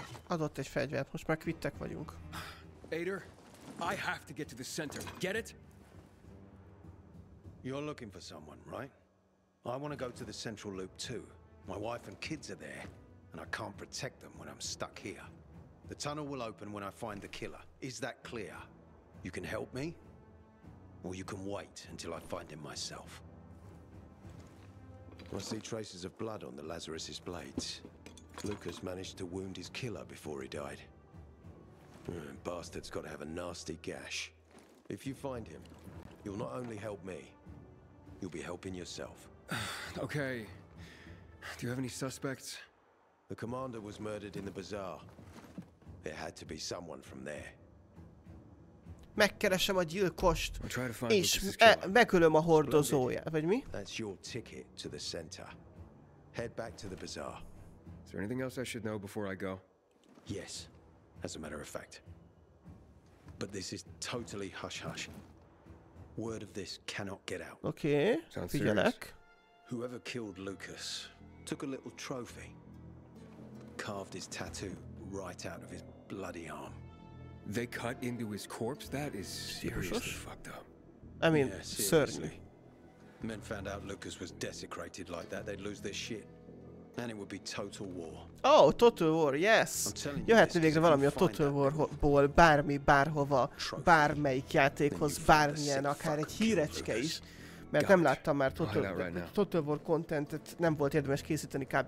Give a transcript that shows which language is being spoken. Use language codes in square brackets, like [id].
[hu] Adott egy fegyvert, most már kvittek vagyunk. [en] Ader, I have to get to the center, get it? You're looking for someone, right? I want to go to the central loop too. My wife and kids are there. And I can't protect them when I'm stuck here. The tunnel will open when I find the killer. Is that clear? You can help me, or you can wait until I find him myself. I see traces of blood on the Lazarus's blades. Lucas managed to wound his killer before he died. Bastard's got to have a nasty gash. If you find him, you'll not only help me, you'll be helping yourself. Okay. Do you have any suspects? The commander was murdered in the bazaar. There had to be someone from there. [hu] Megkeresem a gyilkost, és megölöm a hordozója, vagy mi? [en] That's your ticket to the center. Head back to the bazaar. Is there anything else I should know before I go? Yes, as a matter of fact. But this is totally hush-hush. Word of this cannot get out. Okay, [hu] figyelek. [en] Whoever killed Lucas took a little trophy. Carved his tattoo right out of his bloody arm. They cut into his corpse? That is seriously fucked up. I mean, yeah, certainly. Men found out Lucas was desecrated like that, they'd lose their shit. And it would be total war. Oh, total war, yes. [hu] Jöhetne végre valami a total warból, bármi, bárhova, bármelyik játékhoz, bármilyen, akár egy hírecske is. Mert nem láttam már total war contentet, nem volt érdemes készíteni kb.